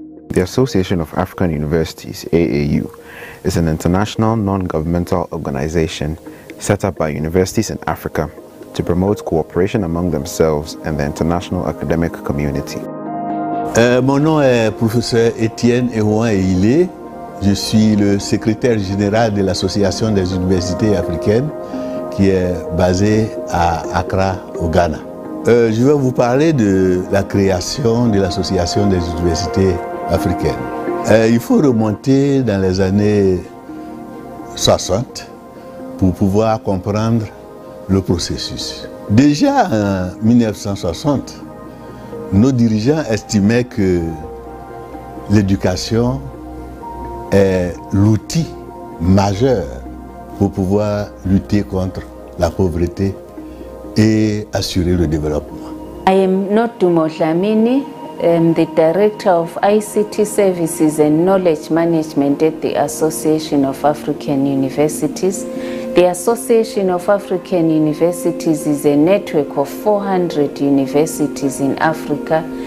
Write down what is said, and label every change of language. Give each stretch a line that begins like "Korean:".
English: The Association of African Universities, AAU, is an international non-governmental organization set up by universities in Africa to promote cooperation among themselves and the international academic community.
French: Mon nom est Professeur Étienne Ewan Eile. Je suis le secrétaire général de l'Association des universités africaines qui est basée à Accra, au Ghana. Je vais vous parler de la création de l'Association des universités africaine. Il faut remonter dans les années 60 pour pouvoir comprendre le processus. Déjà en 1960, nos dirigeants estimaient que l'éducation est l'outil majeur pour pouvoir lutter contre la pauvreté et assurer le développement.
English: I am not Tumo Dlamini. I'm the Director of ICT Services and Knowledge Management at the Association of African Universities. The Association of African Universities is a network of 400 universities in Africa.